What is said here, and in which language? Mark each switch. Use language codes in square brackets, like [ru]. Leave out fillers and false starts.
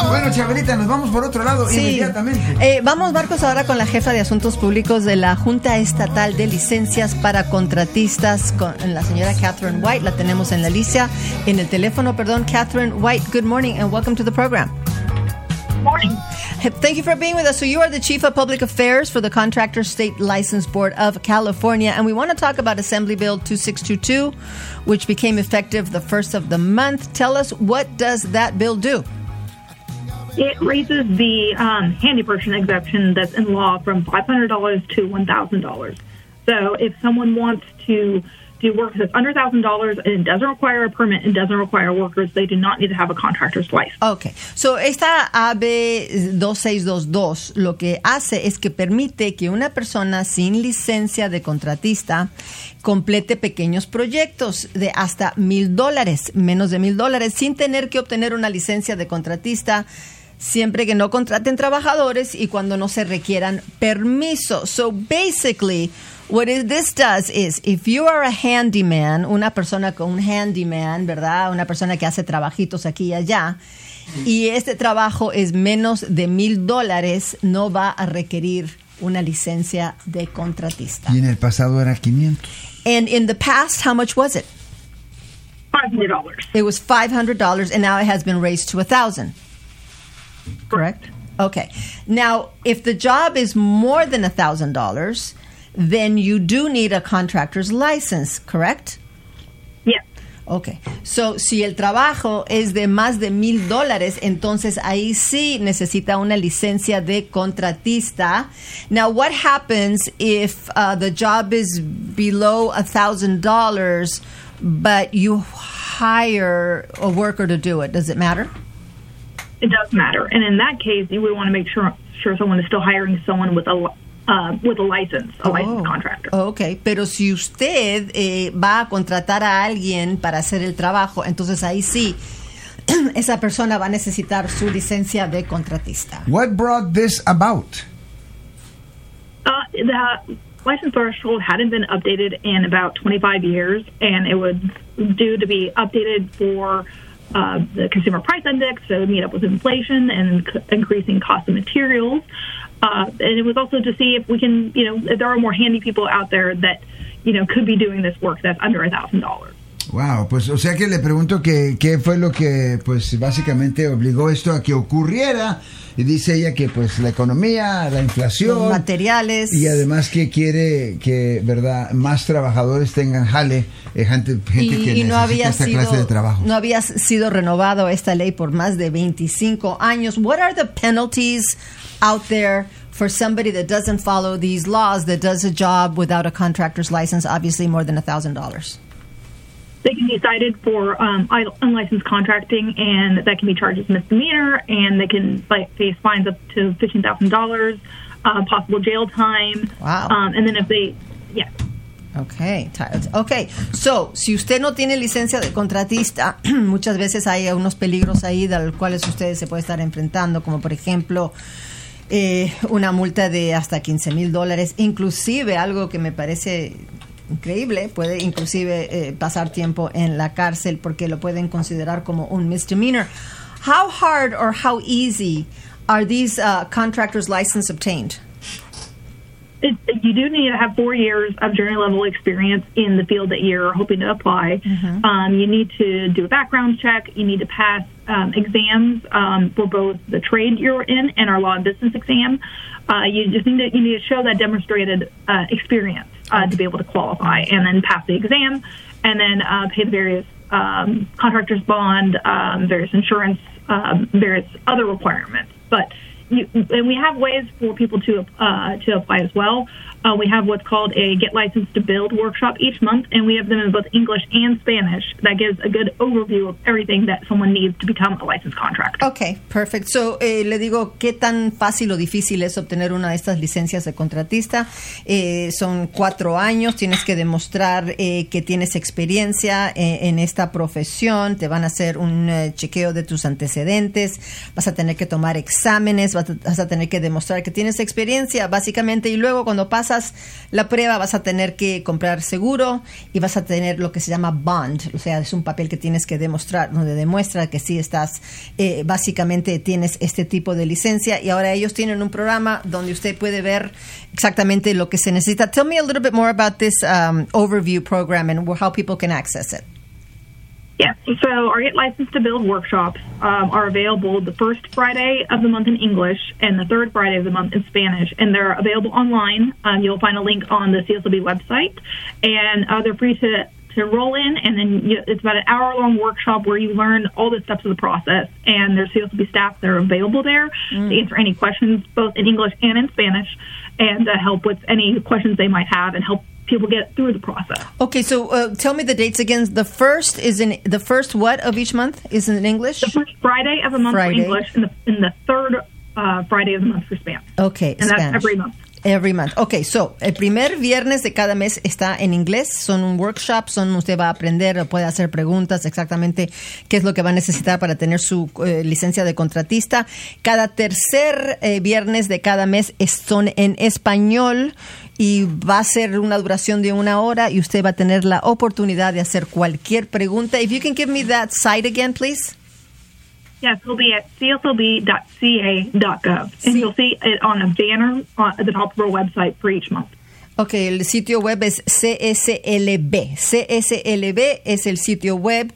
[es] Chavelita, nos vamos por otro lado, sí, inmediatamente. Vamos, Marcos, ahora con la jefa de Asuntos Públicos de la Junta Estatal de Licencias para Contratistas, con la señora Catherine White. La tenemos en la licia, en el teléfono, perdón. [en] Catherine White, good morning and welcome to the program. Morning. Thank you for being with us. So you are the Chief of Public Affairs for the Contractor State License Board of California, and we want to talk about Assembly Bill 2622, which became effective the first of the month. Tell us, what does that bill do? It raises the handyperson exemption that's in law from $500 to $1,000. So if someone wants to do work that's under $1,000 and doesn't require a permit and doesn't require workers, they do not need to have a contractor's license. Okay. [es] So esta AB 2622 lo que hace es que permite que una persona sin licencia de contratista complete pequeños proyectos de hasta $1,000, menos de $1,000, sin tener que obtener una licencia de contratista, siempre que no contraten trabajadores y cuando no se requieran permiso. [en] So basically, what this does is, if you are a handyman, [es] una persona con un handyman, ¿verdad? Una persona que hace trabajitos aquí y allá, y este trabajo es menos de $1,000, no va a requerir una licencia de contratista. Y en el pasado era 500. [en] And in the past, how much was it? $500. It was $500, and now it has been raised to $1,000. Correct? Okay. Now, if the job is more than $1,000, then you do need a contractor's license, correct? Yeah. Okay. [es] So, si el trabajo es de más de $1,000, entonces ahí sí necesita una licencia de contratista. [en] Now, what happens if the job is below $1,000, but you hire a worker to do it? Does it matter? It does matter. And in that case, you would want to make sure someone is still hiring someone with a licensed contractor. Okay. [es] Pero si usted va a contratar a alguien para hacer el trabajo, entonces ahí sí, esa persona va a necesitar su licencia de contratista. [en] What brought this about? The license threshold hadn't been updated in about 25 years, and it was due to be updated for the consumer price index, so meet up with inflation and increasing cost of materials. And it was also to see if we can, you know, if there are more handy people out there that, you know, could be doing this work that's under $1,000. [es] Wow, pues o sea que le pregunto que qué fue lo que pues básicamente obligó esto a que ocurriera, y dice ella que pues la economía, la inflación, los materiales, y además que quiere que, verdad, más trabajadores tengan jale, gente que necesita esta clase de trabajo. No había sido renovado esta ley por más de 25 años. [en] What are the penalties out there for somebody that doesn't follow these laws, that does a job without a contractor's license, obviously more than $1,000? They can be cited for unlicensed contracting, and that can be charged as misdemeanor, and they can face fines up to $15,000, possible jail time. Wow. And then if they, yeah. Okay. [es] So, si usted no tiene licencia de contratista, muchas veces hay unos peligros ahí de los cuales ustedes se puede estar enfrentando, como por ejemplo, una multa de hasta $15,000, inclusive algo que me parece increíble, puede inclusive pasar tiempo en la cárcel porque lo pueden considerar como un misdemeanor. [en] How hard or how easy are these contractors' license obtained? You do need to have 4 years of journey level experience in the field that you're hoping to apply. Mm-hmm. You need to do a background check. You need to pass exams for both the trade you're in and our law and business exam. You need to show that demonstrated experience to be able to qualify, and then pass the exam, and then pay the various contractor's bond, various insurance, various other requirements. But and we have ways for people to apply as well. We have what's called a Get Licensed to Build workshop each month, and we have them in both English and Spanish. That gives a good overview of everything that someone needs to become a licensed contractor. Okay, perfect. [es] So, le digo, ¿qué tan fácil o difícil es obtener una de estas licencias de contratista? Son 4 años, tienes que demostrar que tienes experiencia en esta profesión, te van a hacer un chequeo de tus antecedentes, vas a tener que tomar exámenes, vas a tener que demostrar que tienes experiencia, básicamente, y luego cuando pasas la prueba, vas a tener que comprar seguro y vas a tener lo que se llama bond, o sea, es un papel que tienes que demostrar, donde demuestra que sí estás, básicamente tienes este tipo de licencia. Y ahora ellos tienen un programa donde usted puede ver exactamente lo que se necesita. [en] Tell me a little bit more about this overview program and how people can access it. Yeah, so our Get Licensed to Build workshops are available the first Friday of the month in English and the third Friday of the month in Spanish, and they're available online. You'll find a link on the CSLB website, and they're free to enroll in, and then it's about an hour-long workshop where you learn all the steps of the process, and there's CSLB staff that are available there to answer any questions, both in English and in Spanish, and to help with any questions they might have and help people get through the process. Okay, so tell me the dates again. The first is in the first what of each month is in English? The first Friday of the month Friday. For English, and the third Friday of the month for Spanish. Okay, and Spanish. That's every month. Every month. Okay, so [es] el primer viernes de cada mes está en inglés. Son un workshop, son usted va a aprender, puede hacer preguntas exactamente qué es lo que va a necesitar para tener su licencia de contratista. Cada tercer viernes de cada mes son en español y va a ser una duración de una hora y usted va a tener la oportunidad de hacer cualquier pregunta. [en] If you can give me that site again, please. Yes, it'll be at cslb.ca.gov, and you'll see it on a banner at the top of our website for each month. [es] Okay, el sitio web es CSLB. CSLB es el sitio web.